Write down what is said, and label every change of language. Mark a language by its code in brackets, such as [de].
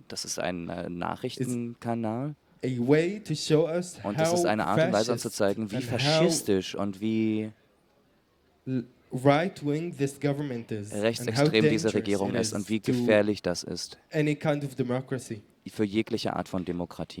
[de] Das ist ein Nachrichtenkanal. Und das ist eine Art und Weise, uns zu zeigen, wie faschistisch und wie [en] right-wing this government is [de] rechtsextrem diese Regierung ist und wie gefährlich das ist. [en] Any kind of democracy. [de] Für jegliche Art von Demokratie.